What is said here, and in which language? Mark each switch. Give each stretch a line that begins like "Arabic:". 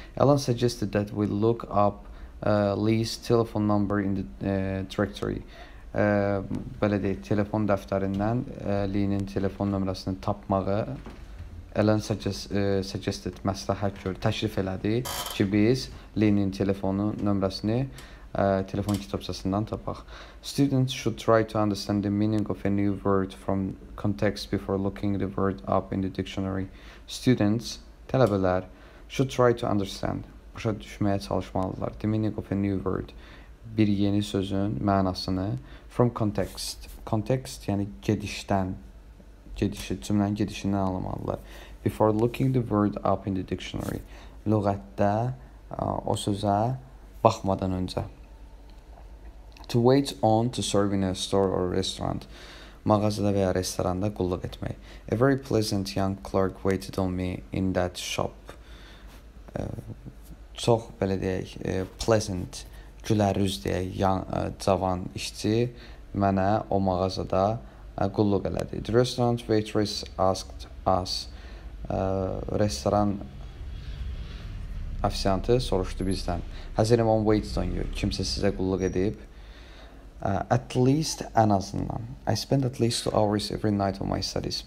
English: Alan suggested that we look up Lee's telephone number in the directory.
Azerbaijani: Belə deyək, telefon dəftərindən Lee'nin telefon nömrəsini tapmağı Alan suggested, məsləhət gördü, təşrif elədi ki, biz Lee'nin telefonu nömrəsini telefon kitabçasından tapaq.
English: Students should try to understand the meaning of a new word from context before looking the word up in the dictionary. Students, tələbələr, should try to understand.
Azerbaijani: Başa düşməyə çalışmalıdırlar.
English: The meaning of a new word.
Azerbaijani: Bir yeni sözün mənasını.
English: From context.
Azerbaijani: Context, yəni gedişdən. Cümlənin gedişindən alınmalıdırlar.
English: Before looking the word up in the dictionary.
Azerbaijani: Lüğətdə o sözə baxmadan öncə.
English: To wait on to serve in a store or a restaurant.
Azerbaijani: Mağazada və ya restoranda qulluq etmək.
English: A very pleasant young clerk waited on me in that shop.
Azerbaijani: Çox, belə deyək, pleasant, gülərüz deyək, cavan işçi mənə o mağazada qulluq elədi.
English: The restaurant waitress asked us.
Azerbaijani: Restoran ofisiantı soruşdu bizdən.
English: Has anyone waited on you?
Azerbaijani: Kimsə sizə qulluq edib.
English: At least,
Azerbaijani: ən azından.
English: I spend at least 2 hours every night on my studies.